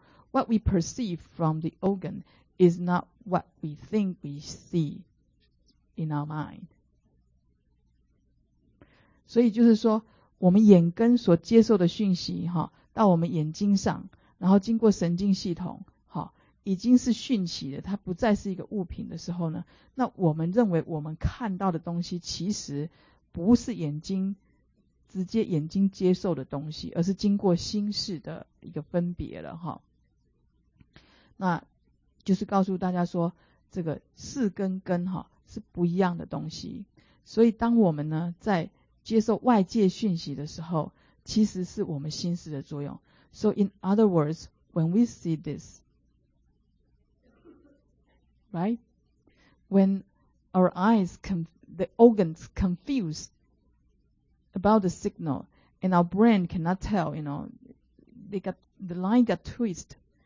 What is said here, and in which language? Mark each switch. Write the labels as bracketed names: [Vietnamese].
[English] What we perceive from the organ is not what we think we see in our mind. [Chinese] 所以就是说，我们眼根所接受的讯息，哈，到我们眼睛上，然后经过神经系统。已经是讯息的，它不再是一个物品的时候呢，那我们认为我们看到的东西其实不是眼睛直接眼睛接受的东西，而是经过心识的一个分别了哈。那就是告诉大家说，这个识跟根哈是不一样的东西，所以当我们呢在接受外界讯息的时候，其实是我们心识的作用。 [English] So in other words, when we see thisRight? When our eyes, the organs confused about the signal and our brain cannot tell, you know, the line got twisted.